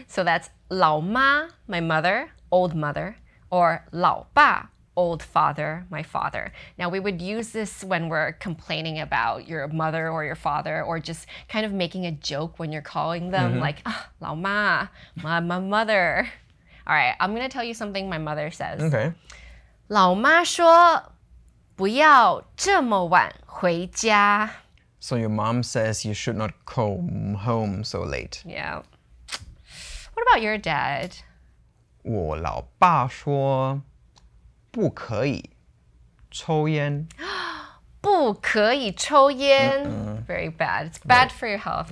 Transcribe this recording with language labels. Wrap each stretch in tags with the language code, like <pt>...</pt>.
<en>So that's 老妈, my mother, old mother, or 老爸, old father, my father. Now we would use this when we're complaining about your mother or your father, or just kind of making a joke when you're calling them, mm-hmm. like, 老妈, my mother. All right, I'm going to tell you something my mother says. Okay.</en> <zh>老妈说不要这么晚回家。</zh> <en>So your mom says you should not come home so late. Yeah. What about your dad?</en> <zh>我老爸说不可以抽烟。不可以抽烟。</zh> <en>Very bad. It's bad for your health.</en>